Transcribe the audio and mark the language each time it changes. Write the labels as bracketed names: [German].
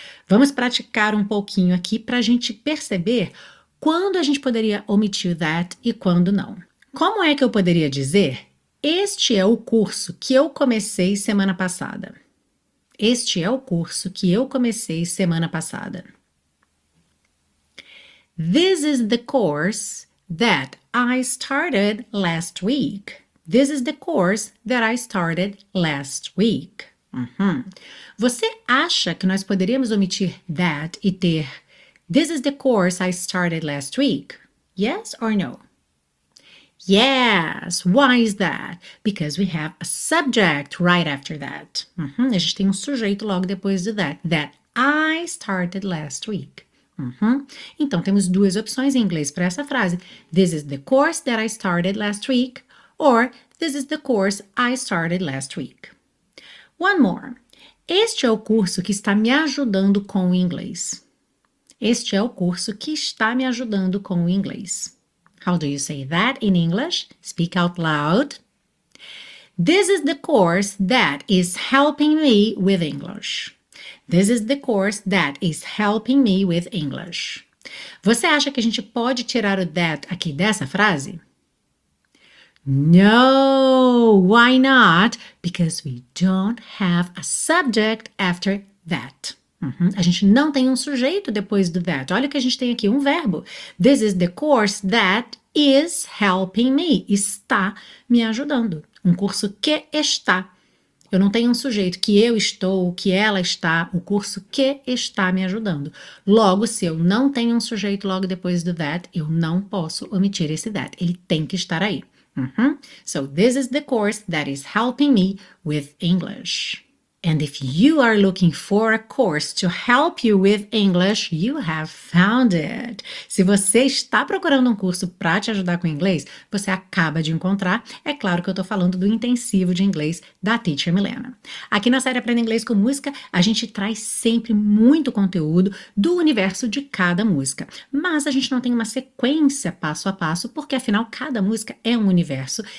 [Portuguese] Vamos praticar um pouquinho aqui para a gente perceber quando a gente poderia omitir that e quando não. Como é que eu poderia dizer: este é o curso que eu comecei semana passada? Este é o curso que eu comecei semana passada. [English] This is the course that I started last week. This is the course that I started last week. [Portuguese] Você acha que nós poderíamos omitir that e ter [English] This is the course I started last week? Yes or no? Yes! Why is that? Because we have a subject right after that. [Portuguese] A gente tem um sujeito logo depois do that. [English] That I started last week. [Portuguese] Então temos duas opções em inglês para essa frase: [English] This is the course that I started last week, or This is the course I started last week. One more. [Portuguese] Este é o curso que está me ajudando com o inglês. Este é o curso que está me ajudando com o inglês. [English] How do you say that in English? Speak out loud. This is the course that is helping me with English. This is the course that is helping me with English. [Portuguese] Você acha que a gente pode tirar o that aqui dessa frase? [English] No, why not? Because we don't have a subject after that. [Portuguese] A gente não tem um sujeito depois do that. Olha o que a gente tem aqui, um verbo. [English] This is the course that is helping me. [Portuguese] Está me ajudando. Um curso que está. Eu não tenho um sujeito que eu estou, que ela está, o curso que está me ajudando. Logo, se eu não tenho um sujeito logo depois do that, eu não posso omitir esse that. Ele tem que estar aí. [English] So, this is the course that is helping me with English. And if you are looking for a course to help you with English, you have found it. [Portuguese] Se você está procurando um curso para te ajudar com inglês, você acaba de encontrar. É claro que eu estou falando do intensivo de inglês da Teacher Milena. Aqui na série Aprenda Inglês com Música, a gente traz sempre muito conteúdo do universo de cada música. Mas a gente não tem uma sequência passo a passo, porque afinal cada música é um universo.